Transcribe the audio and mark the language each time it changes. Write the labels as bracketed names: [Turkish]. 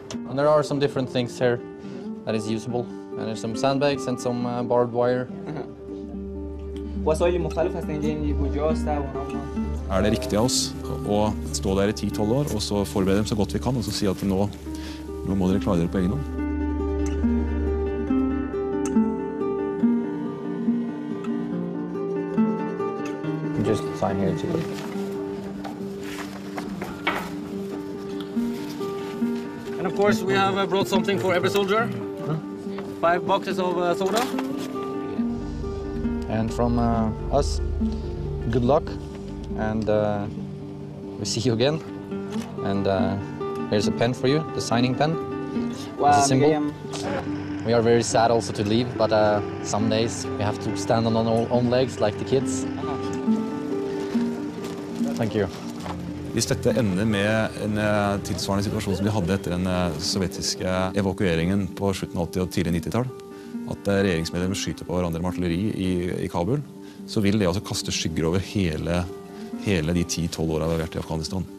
[English] And there are some different things here that is usable. And there's some sandbags and some barbed wire. [Persian] وسایل مختلف هست اینجا این کجاست اونا [Norwegian] Er det riktig av oss å stå der i 10-12 år og så forberede dem så godt vi kan og så si at nå må dere klare dere på egen hånd? [English] Just sign here to you. And of course we have brought something for every soldier. Huh? 5 boxes of soda. And from us, good luck, and we'll see you again. And here's a pen for you, the signing pen. Wow, it's a symbol. We are very sad also to leave, but some days we have to stand on our own legs, like the kids. Thank you. [Norwegian] Hvis dette ender med en tilsvarende situasjon som de hadde etter den sovjetiske evakueringen på 1780- og tidlig 90-tall, at regjeringsmedlemmer skyter på hverandre med artilleri i Kabul, så vil det altså kaste skygger over hele de 10-12 årene vi har vært i Afghanistan.